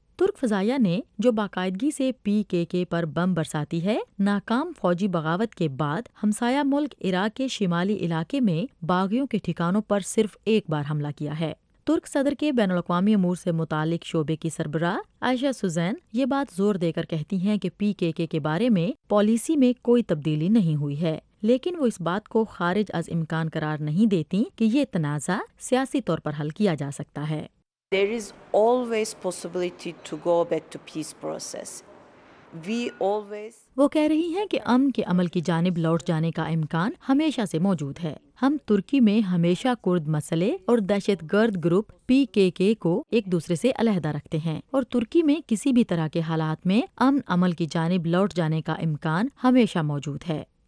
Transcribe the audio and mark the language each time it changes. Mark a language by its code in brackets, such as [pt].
[ur] ترک فضائیہ نے جو باقاعدگی سے پی کے کے پر بم برساتی ہے، ناکام فوجی بغاوت کے بعد ہمسایہ ملک عراق کے شمالی علاقے میں باغیوں کے ٹھکانوں پر صرف ایک بار حملہ کیا ہے۔ ترک صدر کے بین الاقوامی امور سے متعلق شعبے کی سربراہ عائشہ سوزین یہ بات زور دے کر کہتی ہیں کہ پی کے کے کے بارے میں پالیسی میں کوئی تبدیلی نہیں ہوئی ہے، لیکن وہ اس بات کو خارج از امکان قرار نہیں دیتی کہ یہ تنازع سیاسی طور پر حل کیا جا سکتا ہے۔ [en] There is always possibility to go back to peace process. [ur] وہ کہہ رہی ہیں کہ امن کے عمل کی جانب لوٹ جانے کا امکان ہمیشہ سے موجود ہے۔ ہم ترکی میں ہمیشہ کرد مسئلے اور دہشت گرد گروپ پی کے کے کو ایک دوسرے سے علیحدہ رکھتے ہیں، اور ترکی میں کسی بھی طرح کے حالات میں امن عمل کی جانب لوٹ جانے کا امکان ہمیشہ موجود ہے۔